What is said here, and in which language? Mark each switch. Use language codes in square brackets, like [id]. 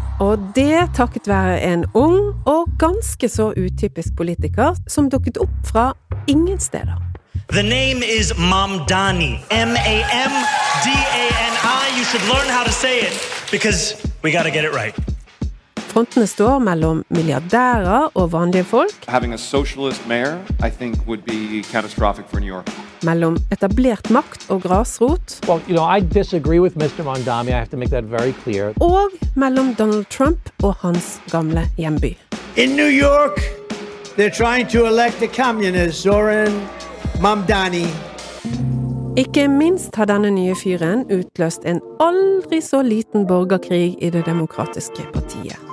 [no] Og det takket være en ung og ganske så utypisk politiker som dukket opp fra ingen steder. [en] The name is Mamdani. M-A-M-D-A-N-I. You should learn how to say it because we gotta get it right. [no] Frontene står mellom milliardærer og vanlige folk. [en] Having a socialist mayor, I think, would be catastrophic for New York. [no] Mellom etablert makt og grasrot. [en] Well, you know, I disagree with Mr. Mamdani. I have to make that very clear. [no] Og mellom Donald Trump og hans gamle hjemby. [en] In New York, they're trying to elect a communist, Zoran Mamdani. [no] Ikke minst har denne nye fyren utløst en aldri så liten borgerkrig i det demokratiske partiet.